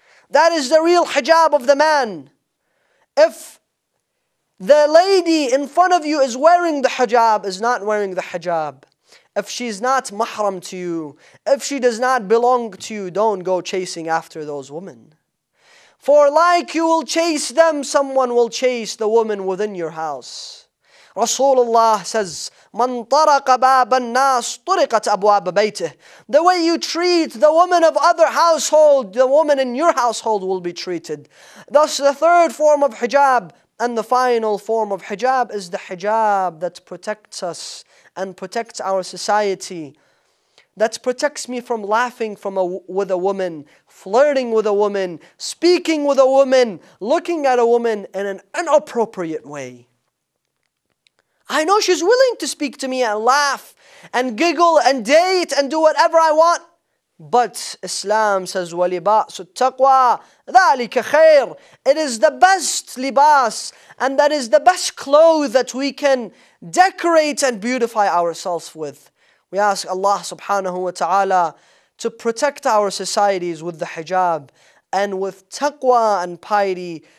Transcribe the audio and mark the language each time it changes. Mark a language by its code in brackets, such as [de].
[en] That is the real hijab of the man. If the lady in front of you is wearing the hijab, is not wearing the hijab, if she's not mahram to you, if she does not belong to you, don't go chasing after those women. For like you will chase them, someone will chase the woman within your house. Rasulullah says, [ar] مَنْ طَرَقَ بَابَ النَّاسِ طُرِقَتْ أَبْوَابَ بَيْتِهِ. [en] The way you treat the woman of other household, the woman in your household will be treated. Thus the third form of hijab and the final form of hijab is the hijab that protects us and protects our society, that protects me from laughing with a woman, flirting with a woman, speaking with a woman, looking at a woman in an inappropriate way. I know she's willing to speak to me and laugh and giggle and date and do whatever I want. But Islam says, [ar] وَلِبَاسُ التَّقْوَى ذَلِكَ خَيْرٌ. [en] It is the best libas and that is the best clothes that we can decorate and beautify ourselves with. We ask Allah subhanahu wa ta'ala to protect our societies with the hijab and with taqwa and piety